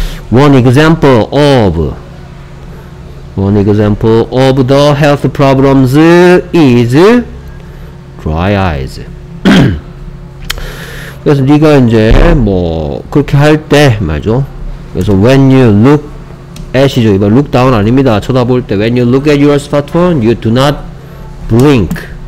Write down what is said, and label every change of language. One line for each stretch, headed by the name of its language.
English: One example of the health problems is dry eyes.
Korean: 그래서 네가 이제 뭐 그렇게 할 때 말죠. 그래서
English: when you look at
Korean: 이죠. 이번 look down 아닙니다. 쳐다볼 때
English: when you look at your smartphone, you do not blink.